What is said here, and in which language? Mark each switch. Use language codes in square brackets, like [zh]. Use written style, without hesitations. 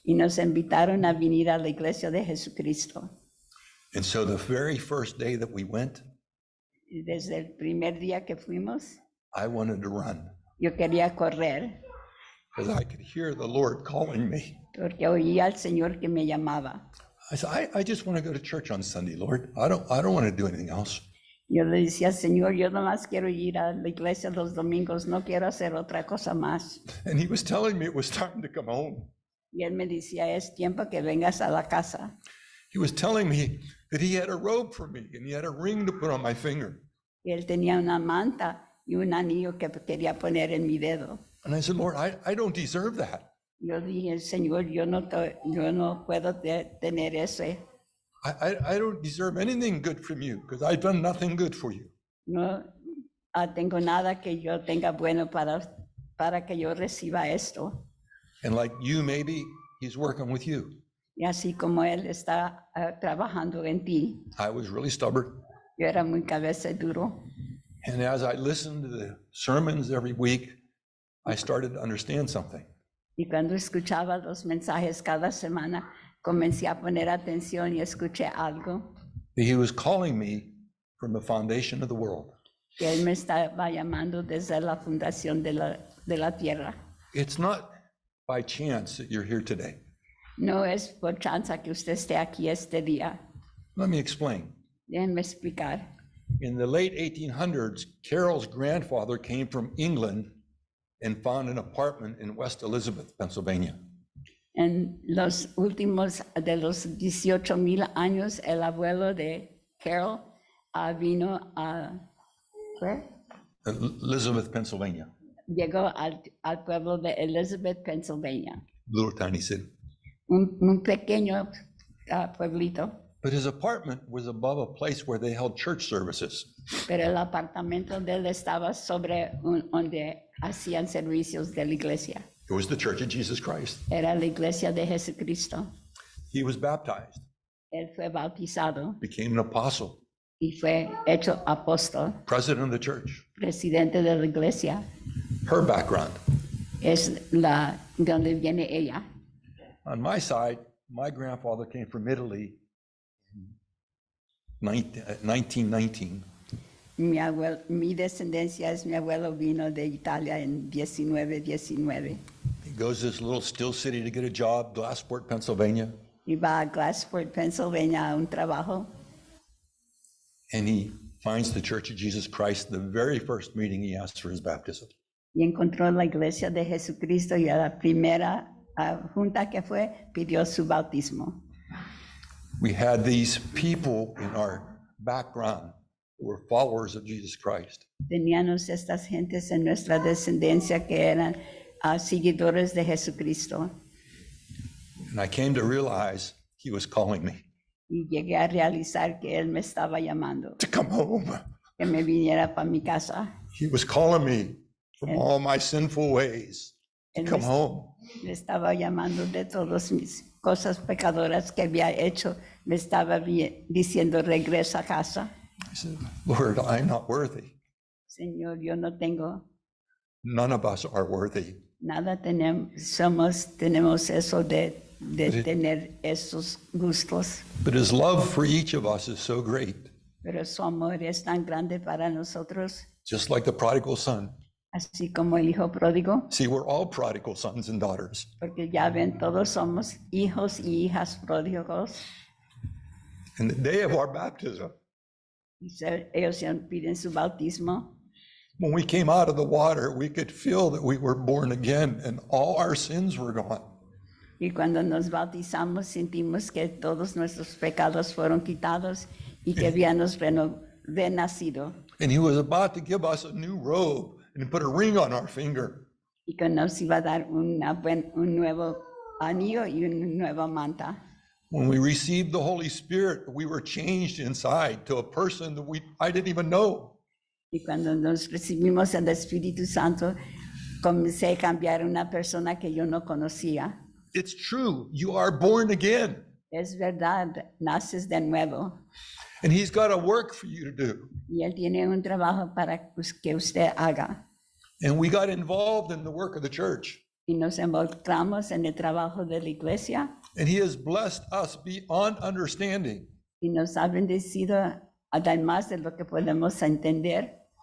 [es] Y nos invitaron a venir a la Iglesia de Jesucristo. [en] And so the very first day that we went, [es] desde el primer día que fuimos, [en] I wanted to run. [es] Yo quería correr. [en] Because I could hear the Lord calling me. [es] Porque oí al Señor que me llamaba. [en] I said, I just want to go to church on Sunday, Lord. I don't want to do anything else. [es] Yo le decía, Señor, yo nomás quiero ir a la iglesia los domingos, no quiero hacer otra cosa más. [en] And he was telling me it was time to come home. [es] Y él me decía, es tiempo que vengas a la casa. [en] He was telling me that he had a robe for me and he had a ring to put on my finger. [es] Y él tenía una manta y un anillo que quería poner en mi dedo. [en] And I said, Lord, I don't deserve that. [es] Yo dije, Señor, yo no puedo tener ese. [en] I don't deserve anything good from you because I've done nothing good for you. [es] No tengo nada que yo tenga bueno para que yo reciba esto. [en] And like you, maybe he's working with you. [es] Y así como él está trabajando en ti. [en] I was really stubborn. [es] Yo era muy cabeza duro. [en] And as I listened to the sermons every week, I started to understand something. [es] Y cuando escuchaba los mensajes cada semana, comencé a poner atención y escuché algo. [en] He was calling me from the foundation of the world. [es] Él me estaba llamando desde la fundación de la tierra. [en] It's not by chance that you're here today. [es] No es por chance que usted esté aquí este día. [en] Let me explain. [es] Déjenme explicar. [en] In the late 1800s, Carol's grandfather came from England and found an apartment in West Elizabeth, Pennsylvania. [es] En los últimos de los 18,000 años, el abuelo de Carol vino a Elizabeth, Pennsylvania. Llegó al pueblo de Elizabeth, Pennsylvania. [en] Little tiny city. [es] Un pequeño pueblito. [en] But his apartment was above a place where they held church services. [es] Pero el apartamento de él estaba sobre donde hacían servicios de la iglesia. [en] It was the Church of Jesus Christ. [es] Era la Iglesia de Jesucristo. [en] He was baptized. [es] Él fue bautizado. [en] Became an apostle. [es] Y fue hecho apóstol. [en] President of the church. [es] Presidente de la iglesia. [en] Her background. [es] Es la donde viene ella. [en] On my side, my grandfather came from Italy in 1919. [es] Mi descendencia es mi abuelo vino de Italia en 1919. [en] He goes to this little still city to get a job, Glassport, Pennsylvania. [es] Y va a Glassport, Pennsylvania a un trabajo. [en] And he finds the Church of Jesus Christ the very first meeting he asks for his baptism. [es] Y encontró la Iglesia de Jesucristo y a la primera junta que fue, pidió su bautismo. [en] We had these people in our background who were followers of Jesus Christ. [es] Teníamos estas gentes en nuestra descendencia que eran seguidores de Jesucristo. [en] And I came to realize he was calling me. [es] Y llegué a realizar que él me estaba llamando. [en] To come home. [es] Que me viniera para mi casa. [en] He was calling me from all my sinful ways. Come home. [es] Me estaba llamando de todas mis cosas pecadoras que había hecho. Me estaba diciendo, regresa a casa. [en] I said, Lord, I'm not worthy. [es] Señor, yo no tengo. [en] None of us are worthy. [es] Nada tenemos eso de tener esos gustos. [en] But his love for each of us is so great. [es] Pero su amor es tan grande para nosotros. [en] Just like the prodigal son. [es] Así como el hijo pródigo. [en] See, we're all prodigal sons and daughters. [es] Porque ya ven, todos somos hijos y hijas pródigos. [en] And the day of our baptism. [es] Y ellos piden su bautismo. [en] When we came out of the water, we could feel that we were born again and all our sins were gone. [es] Y cuando nos bautizamos, sentimos que todos nuestros pecados fueron quitados y que habíamos renacido. [en] And he was about to give us a new robe and put a ring on our finger. [es] Y que nos iba a dar un nuevo anillo y una nueva manta. [en] When we received the Holy Spirit, we were changed inside to a person that I didn't even know. [es] Y cuando nos recibimos el Espíritu Santo, comencé a cambiar una persona que yo no conocía. [en] It's true. You are born again. [es] Es verdad. Naces de nuevo. [en] And he's got a work for you to do. [es] Y él tiene un trabajo para que usted haga. [en] And we got involved in the work of the church. [es] Y nos involucramos en el trabajo de la iglesia. [en] And he has blessed us beyond understanding. [es] Y nos ha bendecido además de lo que podemos entender.